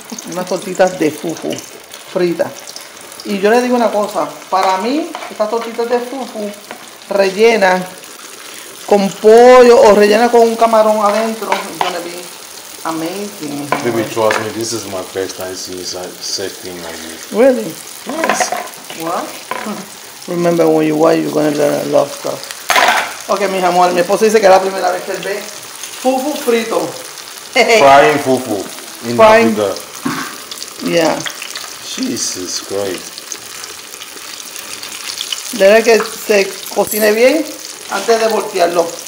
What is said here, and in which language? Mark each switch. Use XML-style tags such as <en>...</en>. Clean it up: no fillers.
<es>Unas tortitas de fufu frita. Y yo le digo una cosa, para mí, estas tortitas de fufu rellenan con pollo o rellena con un camarón adentro.</es> <en>Amazing. Baby, trust me, this is my first time seeing such a thing like this. Really? Yes. What? Remember when you watch, you're going to learn a lot of stuff.</en> <es>Okay, mi amor, mi esposo dice que es la primera vez que él ve fufu frito.</es> <en>Frying fufu. In frying. The yeah. Jesus Christ.</en> <es>Debe que se cocine bien antes de voltearlo.</es>